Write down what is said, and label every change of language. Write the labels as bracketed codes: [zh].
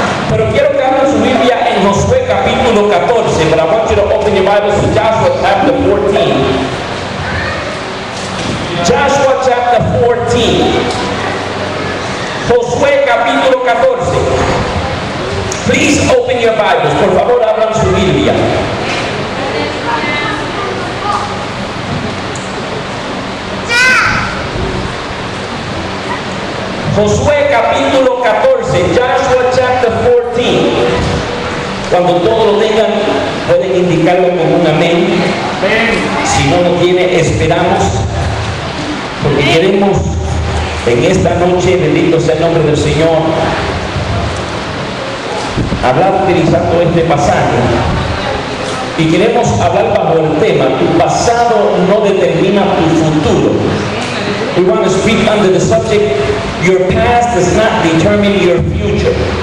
[es] Pero quiero que abran su Biblia en Josué capítulo 14. [en] But I want you to open your Bible to Joshua chapter 14. Joshua chapter 14. [es] Josué capítulo 14. [en] Please open your Bibles. [es] Por favor, abran su Biblia. Josué capítulo 14, [en] Joshua chapter 14. [es] Cuando todos lo tengan, pueden indicarlo con un amén. Si no lo tiene, esperamos. Porque queremos en esta noche, bendito sea el nombre del Señor, hablar utilizando este pasaje. Y queremos hablar bajo el tema: tu pasado no determina tu futuro. [en] We want to speak under the subject: your past does not determine your future.